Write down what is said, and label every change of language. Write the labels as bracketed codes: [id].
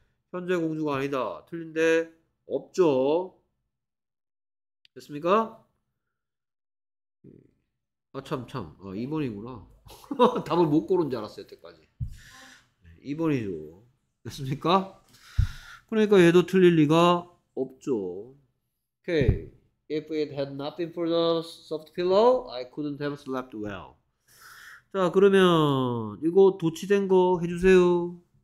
[ko] 현재 공주가 아니다. 틀린데 없죠? 됐습니까? 아, 참, 참. 아, 2번이구나. 답을 못 고른 줄 알았어요, 여태까지. 2번이죠. 됐습니까? 그러니까 얘도 틀릴 리가 없죠. [en] Okay. If it had not been for the soft pillow, I couldn't have slept well. [ko] 자, 그러면 이거 도치된 거 해주세요.